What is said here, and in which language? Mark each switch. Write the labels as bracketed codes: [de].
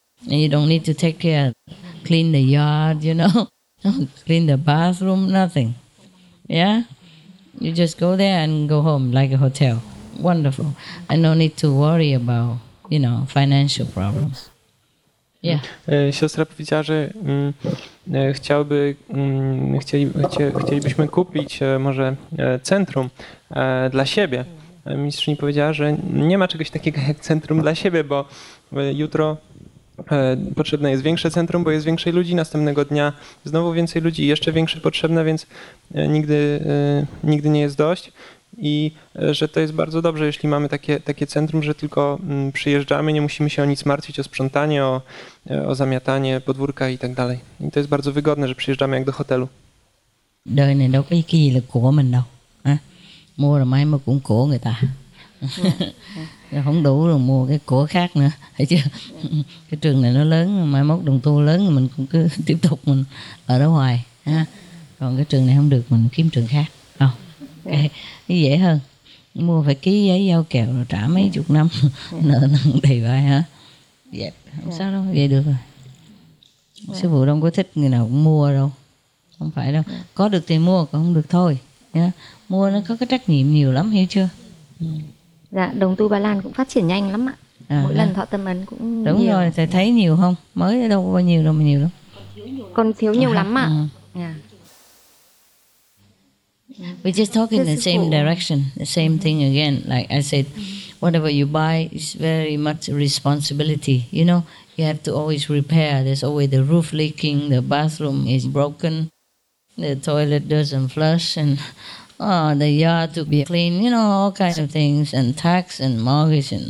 [en] And you don't need to take care, clean the yard, you know, clean the bathroom, nothing, yeah? You just go there and go home, like a hotel, wonderful. And no need to worry about, you know, financial problems. Yeah. [pl] Siostra powiedziała, że chcielibyśmy kupić może centrum dla siebie. Mistrzyni powiedziała, że nie ma czegoś takiego jak centrum dla siebie, bo jutro potrzebne jest większe centrum, bo jest większej ludzi, następnego dnia znowu więcej ludzi, jeszcze większe potrzebne, więc nigdy nie jest dość. I że to jest bardzo dobrze, jeśli mamy takie centrum, że tylko przyjeżdżamy, nie musimy się o nic martwić, o sprzątanie, o zamiatanie podwórka i tak dalej. I to jest bardzo wygodne, że przyjeżdżamy jak do hotelu. [vi] Đời này đâu có cái gì là của mình đâu. Mua rồi mai mà cũng của người ta. Không đủ rồi mua cái của khác nữa. Thấy chưa? Cái trường này nó lớn, mai mốt đồng tu lớn thì mình cũng cứ tiếp tục mình ở đó hoài. Còn cái trường này không được, mình kiếm trường khác. Cái dễ hơn. Mua phải ký giấy giao kèo rồi trả mấy chục năm. Nợ nần đầy vai hả? Dẹp, không sao đâu, vậy được rồi. Sư phụ đâu có thích người nào cũng mua đâu. Không phải đâu. Có được thì mua, còn không được thôi. Mua nó có cái trách nhiệm nhiều lắm, hiểu chưa? Dạ, đồng tu Ba Lan cũng phát triển nhanh lắm ạ. Mỗi lần thọ tâm ấn cũng đúng nhiều. Rồi, thầy thấy nhiều không? Mới đâu có bao nhiêu đâu mà nhiều lắm. Còn thiếu nhiều lắm ạ. [en] We're just talking the same direction, the same thing again. Like I said, whatever you buy is very much responsibility. You know, you have to always repair. There's always the roof leaking, the bathroom is broken, the toilet doesn't flush, and the yard to be clean, you know, all kinds of things, and tax and mortgage.